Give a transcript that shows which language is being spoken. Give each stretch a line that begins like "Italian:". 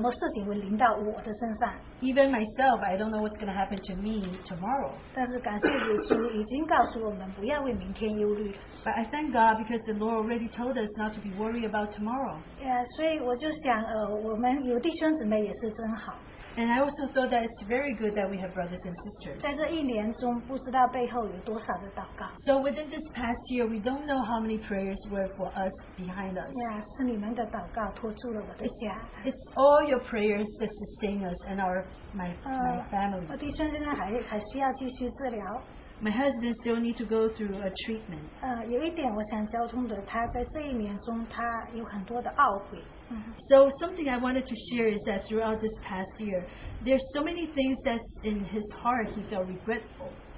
Chinese: 包括我自己，我都不知道明天会什么事情会临到我的身上。
English: Even myself, I don't know what's going to happen to me tomorrow.
Chinese: 但是感谢主已经告诉我们不要为明天忧虑。
English: But I thank God because the Lord already told us not to be worried about tomorrow.
Chinese: Yeah, 所以我就想，我们有弟兄姊妹也是真好。
English: And I also thought that it's very good that we have brothers and sisters.
Chinese: 在这一年中，不知道背后有多少的祷告。
English: So within this past year, we don't know how many prayers were for us behind us.
Chinese: Yeah, 是你们的祷告托住了我的家。
English: It's all your prayers that sustain us and my family.
Chinese: 我弟兄现在还需要继续治疗。
English: My husband still needs to go through a treatment.
Chinese: 有一点我想交通的，他在这一年中他有很多的懊悔。
English: So something I wanted to share is that throughout this past year, there's so many things that in his heart he felt regretful.